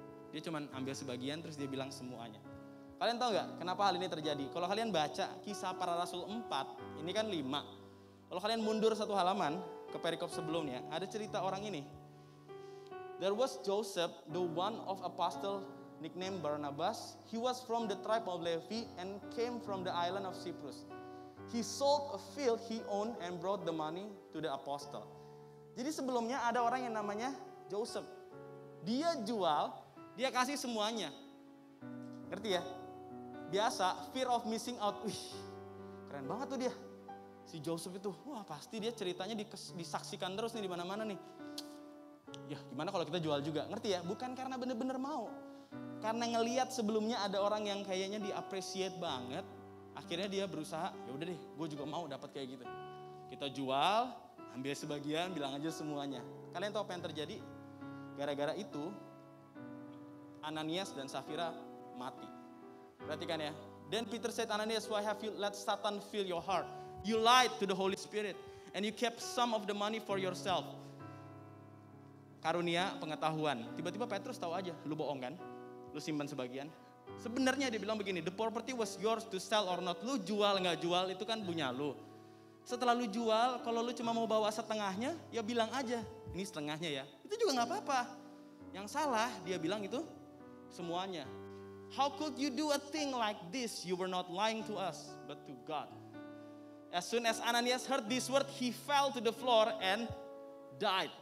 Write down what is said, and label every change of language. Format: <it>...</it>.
<id>Dia cuma ambil sebagian terus dia bilang semuanya. Kalian tahu gak kenapa hal ini terjadi? Kalau kalian baca Kisah Para Rasul 4, ini kan 5. Kalau kalian mundur satu halaman ke perikop sebelumnya, ada cerita orang ini.</id> <en>There was Joseph, the one of apostle nicknamed Barnabas. He was from the tribe of Levi and came from the island of Cyprus. He sold a field he owned and brought the money to the apostle.</en> <id>Jadi sebelumnya ada orang yang namanya Joseph. Dia jual, dia kasih semuanya. Ngerti ya? Biasa,</id> <en>fear of missing out.</en> <id>Wih, keren banget tuh dia. Si Joseph itu, wah pasti dia ceritanya disaksikan terus nih di mana-mana nih. Ya gimana kalau kita jual juga? Ngerti ya? Bukan karena bener-bener mau. Karena ngelihat sebelumnya ada orang yang kayaknya di-appreciate banget. Akhirnya dia berusaha, ya udah deh, gue juga mau dapat kayak gitu. Kita jual, ambil sebagian, bilang aja semuanya. Kalian tahu apa yang terjadi? Gara-gara itu, Ananias dan Safira mati. Perhatikan ya.</id> <en>Then Peter said, "Ananias, why have you let Satan fill your heart?" You lied to the Holy Spirit and you kept some of the money for yourself.</en> <id>Karunia pengetahuan. Tiba-tiba Petrus tahu aja, lu bohong kan? Lu simpan sebagian. Sebenarnya dia bilang begini,</id> <en>the property was yours to sell or not.</en> <id>Lu jual enggak jual itu kan punya lu. Setelah lu jual, kalau lu cuma mau bawa setengahnya, ya bilang aja, ini setengahnya ya. Itu juga enggak apa-apa. Yang salah dia bilang itu semuanya.</id> <en>How could you do a thing like this? You were not lying to us, but to God. As soon as Ananias heard this word, he fell to the floor and died.</en>